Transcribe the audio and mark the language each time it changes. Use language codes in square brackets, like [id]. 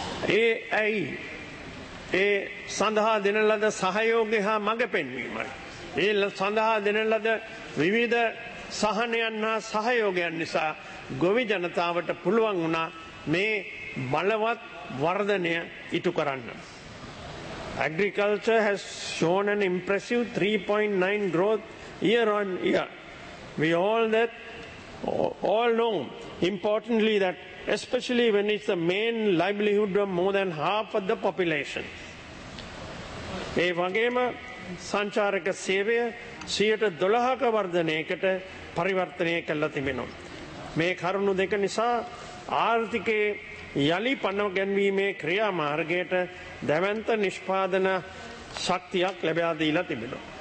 [si] ඒ ඇයි? ඒ සඳහා දෙන ලද සහයෝගය හා මඟ පෙන්වීමයි. ඒ සඳහා දෙන ලද විවිධ සහනයන් හා සහයෝගයන් නිසා ගොවි ජනතාවට පුළුවන් වුණා මේ බලවත් වර්ධනය ඉටු කරන්න. [en] Agriculture has shown an impressive 3.9 growth year on year. We all that all know importantly that especially when it's the main livelihood of more than half of the population. [si] ඒ වගේම සංචාරක සේවය 12%ක වර්ධනයකට පරිවර්තනය කළා තිබෙනවා. මේ කරුණු දෙක නිසා ආර්ථිකයේ යලි පනව ගැන්වීමේ ක්‍රියාමාර්ගයට දැවැන්ත නිෂ්පාදන ශක්තියක් ලැබා දීලා තිබෙනවා.